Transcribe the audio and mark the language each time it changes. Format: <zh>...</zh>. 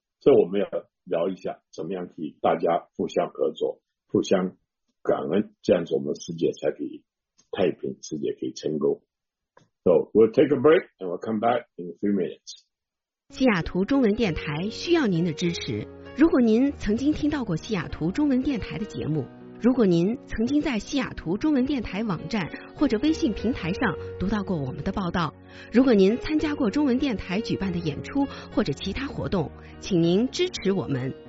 <zh>这我们要聊一下，怎么样可以大家互相合作，互相感恩，这样子我们世界才可以太平，世界可以成功。</zh> <en>So we'll take a break and we'll come back in a few minutes。</en> <zh>西雅图中文电台需要您的支持，如果您曾经听到过西雅图中文电台的节目，如果您曾经在西雅图中文电台网站或者微信平台上读到过我们的报道，如果您参加过中文电台举办的演出或者其他活动，请您支持我们。</zh>